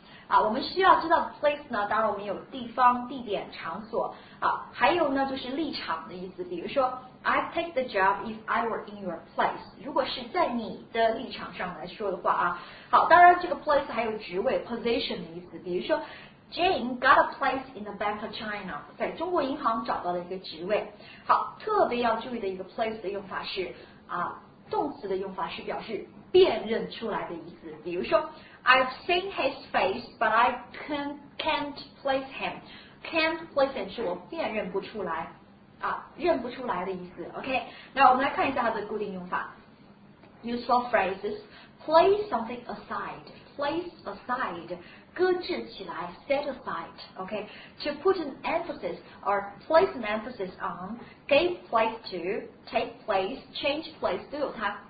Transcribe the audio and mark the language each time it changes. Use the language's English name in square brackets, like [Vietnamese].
[Chinese] 啊，我们需要知道 place 呢，当然我们有地方、地点、场所啊，还有呢就是立场的意思。比如说 [English] ，I take the job if I were in your place。 [Chinese] 如果是在你的立场上来说的话啊，好，当然这个 place 还有职位 position 的意思。比如说 [English] ，Jane got a place in the Bank of China， [Chinese] 在中国银行找到了一个职位。好，特别要注意的一个 place 的用法是啊，动词的用法是表示辨认出来的意思。比如说。 [English] I've seen his face, but I can't place him. Can't place him [Chinese] 是我辨认不出来啊，认不出来的意思。 OK， 那我们来看一下它的固定用法。 [English] Useful phrases: place something aside, place aside, [Chinese] 搁置起来 [English] set aside. OK, to put an emphasis or place an emphasis on, give place to, take place, change place [Chinese] 都有它。